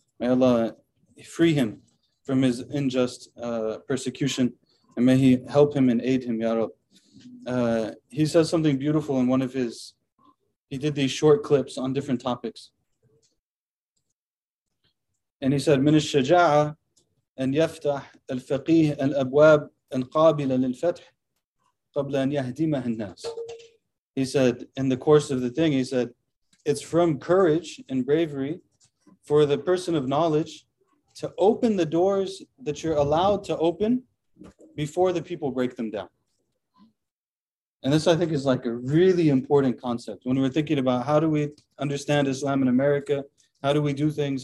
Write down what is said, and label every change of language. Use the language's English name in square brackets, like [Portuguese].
[English] May Allah free him from his unjust persecution, and may He help him and aid him, Ya Rab. He says something beautiful in one of his, he did these short clips on different topics. And he said, [Arabic] Minish Shaja'a. أن يفتح الفقيه الأبواب القابلة للفتح قبل أن يهدمها الناس. [English] He said, in the course of the thing, he said, it's from courage and bravery for the person of knowledge to open the doors that you're allowed to open before the people break them down. And this, I think, is like a really important concept when we're thinking about how do we understand Islam in America? How do we do things?